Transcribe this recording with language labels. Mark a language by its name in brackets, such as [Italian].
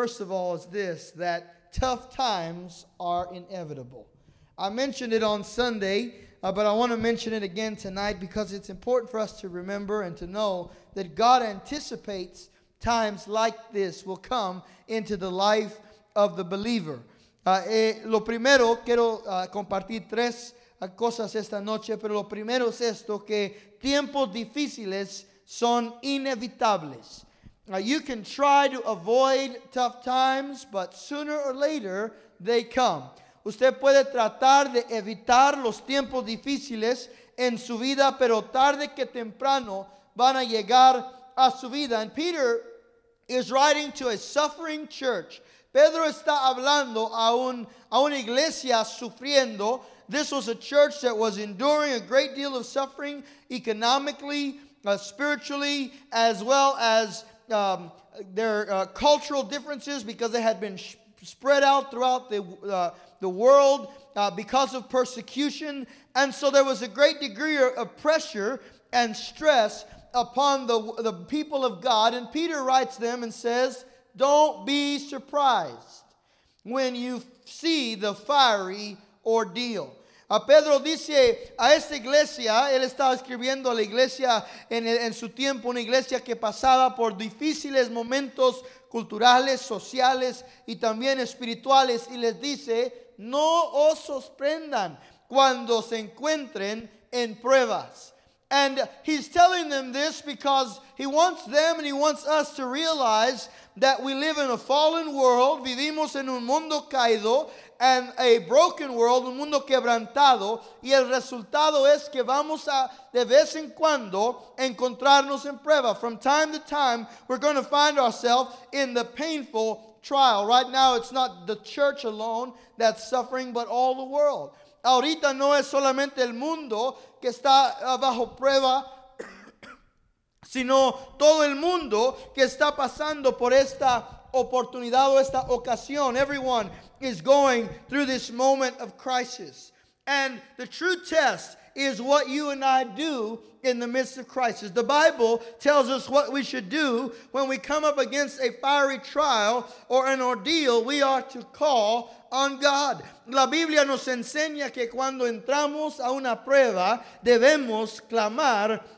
[English] First of all is this, that tough times are inevitable. I mentioned it on Sunday, but I want to mention it again tonight because it's important for us to remember and to know that God anticipates times like this will come into the life of the believer. [Spanish] Lo primero, quiero compartir tres cosas esta noche, pero lo primero es esto, que tiempos difíciles son inevitables. [English] You can try to avoid tough times, but sooner or later they come. [Spanish] Usted puede tratar de evitar los tiempos difíciles en su vida, pero tarde que temprano van a llegar a su vida. [English] And Peter is writing to a suffering church. [Spanish] Pedro está hablando a una iglesia sufriendo. [English] This was a church that was enduring a great deal of suffering economically, spiritually, as well as their cultural differences because they had been spread out throughout the world because of persecution. And so there was a great degree of pressure and stress upon the people of God. And Peter writes them and says, don't be surprised when you see the fiery ordeal. [Spanish] Pedro dice a esta iglesia, él estaba escribiendo a la iglesia en su tiempo, una iglesia que pasaba por difíciles momentos culturales, sociales y también espirituales, y les dice, no os sorprendan cuando se encuentren en pruebas. [English] And he's telling them this because he wants them and he wants us to realize that we live in a fallen world, [Spanish] vivimos en un mundo caído, [English] and a broken world, [Spanish] un mundo quebrantado, y el resultado es que vamos a, de vez en cuando, encontrarnos en prueba. [English] From time to time, we're going to find ourselves in the painful trial. Right now, it's not the church alone that's suffering, but all the world. [Spanish] Ahorita no es solamente el mundo que está bajo prueba, sino todo el mundo que está pasando por esta oportunidad o esta ocasión. [English] Everyone is going through this moment of crisis. And the true test is what you and I do in the midst of crisis. The Bible tells us what we should do when we come up against a fiery trial or an ordeal. We are to call on God. [Spanish] La Biblia nos enseña que cuando entramos a una prueba, debemos clamar